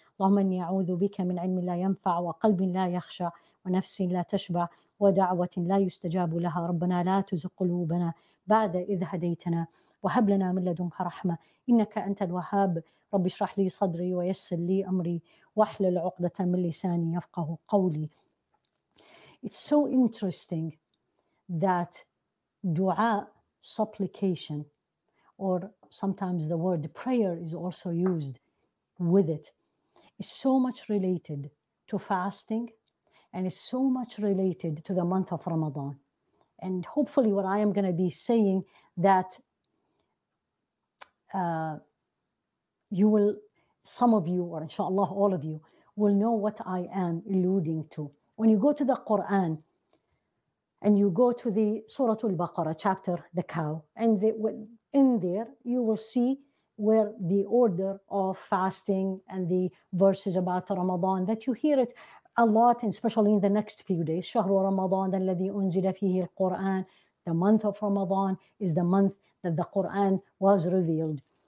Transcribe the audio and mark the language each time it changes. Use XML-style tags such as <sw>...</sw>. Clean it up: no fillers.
<ar>Allahumma inni a'udhu bika min ilmi la yanfa' wa qalbin la yakhsha wa nafsin la tashba' ودعوة لا يستجاب لها ربنا لا تزغ قلوبنا بعد إذ هديتنا وهب لنا من لدنك رحمة إنك أنت الوهاب رب اشرح لي صدري ويسر لي أمري واحلل عقدة من لساني يفقه قولي.</ar> <en>It's so interesting that dua, supplication, or sometimes the word prayer is also used with it, is so much related to fasting. And it's so much related to the month of Ramadan. And hopefully what I am going to be saying, that you will, some of you, or inshallah all of you, will know what I am alluding to. When you go to the Quran, and you go to the Surah Al-Baqarah chapter, the cow, and in there you will see where the order of fasting and the verses about Ramadan, that you hear it a lot, and especially in the next few days.</en> <ar>شهر رمضان الذي أنزل فيه القرآن.</ar> <en>The month of Ramadan is the month that the Quran was revealed.</en>